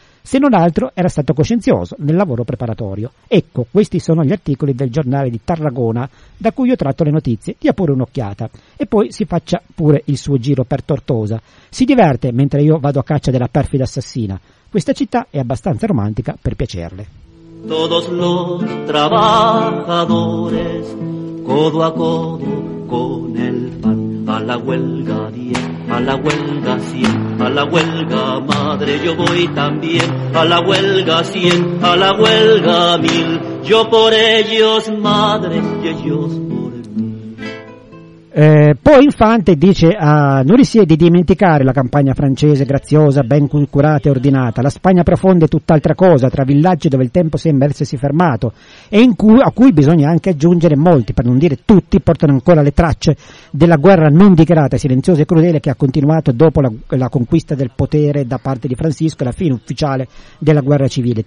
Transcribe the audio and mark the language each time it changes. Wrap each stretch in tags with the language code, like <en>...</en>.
<it>Se non altro, era stato coscienzioso nel lavoro preparatorio. Ecco, questi sono gli articoli del giornale di Tarragona, da cui ho tratto le notizie. Dia pure un'occhiata. E poi si faccia pure il suo giro per Tortosa. Si diverte mentre io vado a caccia della perfida assassina. Questa città è abbastanza romantica per piacerle.</it> <es>Todos los trabajadores, codo a codo con el pan, a la huelga 10, a la huelga 100, a la huelga madre yo voy también, a la huelga 100, a la huelga 1000, yo por ellos madre y ellos por mí.</es> <it>Poi Infante dice a Nourisset di dimenticare la campagna francese graziosa, ben curata e ordinata. La Spagna profonda è tutt'altra cosa, tra villaggi dove il tempo sembra essersi fermato e a cui bisogna anche aggiungere molti, per non dire tutti, portano ancora le tracce della guerra non dichiarata, silenziosa e crudele che ha continuato dopo la conquista del potere da parte di Francisco e la fine ufficiale della guerra civile.</it>